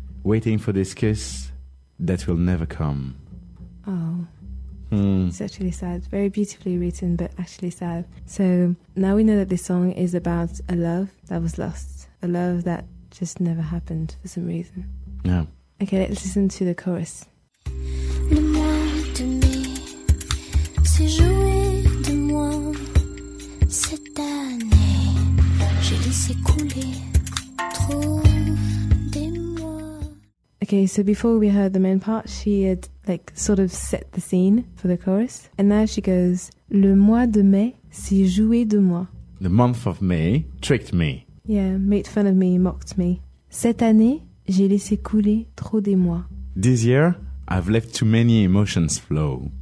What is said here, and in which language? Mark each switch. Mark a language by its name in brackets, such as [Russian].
[English] Waiting for this kiss that will never come. Oh. It's actually sad. Very beautifully written, but actually sad. So now we know that this song is about a love that was lost. A love that just never happened for some reason. Yeah. Okay, let's listen to the chorus. [French] Le mois de mai s'est joué de moi. Cette année, j'ai laissé couler trop des mois. [English] Okay, so before we heard the main part, she had like sort of set the scene for the chorus. And now she goes, [French] le mois de mai s'est joué de moi. [English] The month of May tricked me. Yeah, made fun of me, mocked me. [French] Cette année, j'ai laissé couler trop des mois. [English] This year, I've let too many emotions flow.